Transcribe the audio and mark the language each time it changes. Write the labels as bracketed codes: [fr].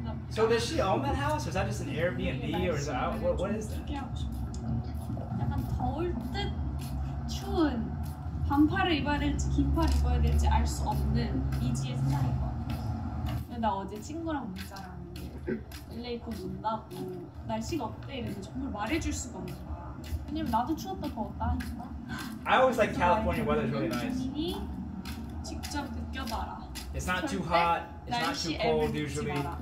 [en] So does she own that house, or is that just an Airbnb, or is that what is that? [ko] 약간 더울 듯 추운 반팔을 입어야 될지 긴팔을 입어야 될지 알 수 없는 미지의 상황인 것 같아요. 나 어제 친구랑 문자를 하는데 LA 곧 온다고 날씨가 어때? 이래서 정말 말해줄 수가 없는 거야. 왜냐면 나도 추웠다 더웠다 하니까. [en] I always like California weather is really nice. [ko] 직접 느껴봐라. [en] It's not too hot, it's not too cold usually.